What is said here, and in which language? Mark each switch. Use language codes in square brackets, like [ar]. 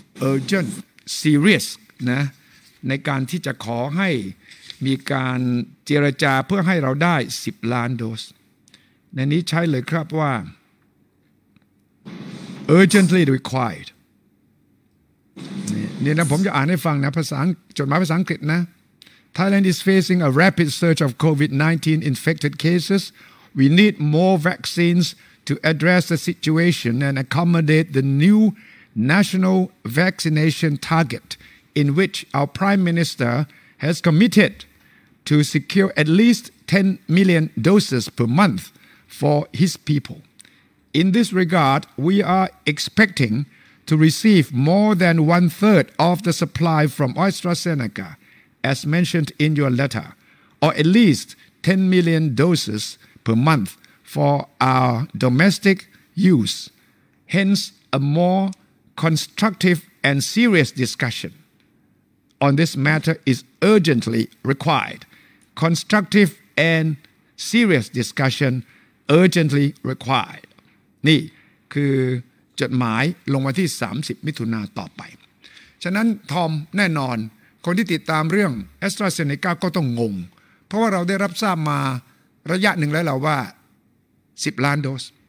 [en] urgent serious [th] นะในการที่จะขอให้มีการเจรจาเพื่อให้เราได้10ล้านโดสในนี้ใช้เลยครับว่า [en] urgently required [th] นี่นะผมจะอ่านให้ฟังนะภาษาจดหมายภาษาอังกฤษนะ [en] Thailand is facing a rapid surge of COVID-19 infected cases. We need more vaccines to address the situation and accommodate the new national vaccination target in which our Prime Minister has committedto secure at least 10 million doses per month for his people. In this regard, we are expecting to receive more than one-third of the supply from AstraZeneca, as mentioned in your letter, or at least 10 million doses per month for our domestic use. Hence, a more constructive and serious discussion on this matter is urgently required. constructive and serious discussion urgently required [th] นี่คือจดหมายลงมาที่30มิถุนาต่อไปฉะนั้นทอมแน่นอนคนที่ติดตามเรื่อง AstraZeneca ก็ต้องงงเพราะว่าเราได้รับทราบมาระยะหนึ่งแล้วเราว่า10ล้านโดส